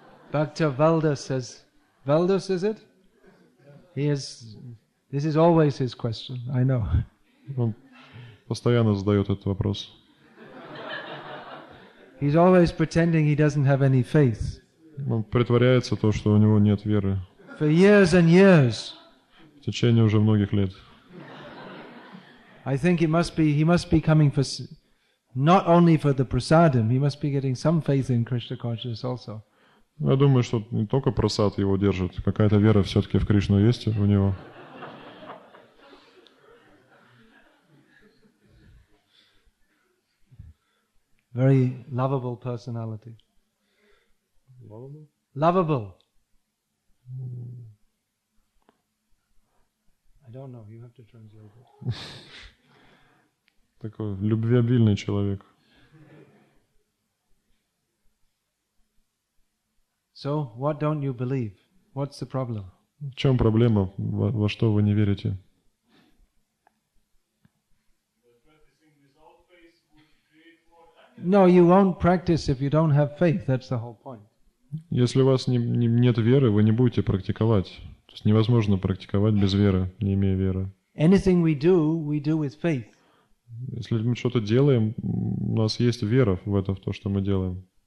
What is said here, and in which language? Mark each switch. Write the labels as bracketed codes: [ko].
[en] Bhakta Valda says, Valdas, is it? This is always his question, I know. [ru] Он постоянно задает этот вопрос. [en] He's always pretending he doesn't have any faith. [ru] Он притворяется то, что у него нет веры. [en] For years and years. [ru] В течение уже многих лет. [en] I think he must be coming for not only for the prasadam, he must be getting some faith in Krishna consciousness also. [ru] Я думаю, что не только прасад его держит, какая-то вера все-таки в Кришну есть у него. [en] Very lovable personality. Lovable? I don't know, you have to translate it. [ru] Такой любвеобильный человек. [en] So, what don't you believe? What's the problem? [ru] В чем проблема? Во что вы не верите? [en] No, you won't practice if you don't have faith. That's the whole point. [ru] Если у вас нет веры, вы не будете практиковать. То есть невозможно практиковать без веры, не имея веры. [en] Anything we do with faith. [ru] Если мы что-то делаем, у нас есть вера в это, в то, что мы делаем.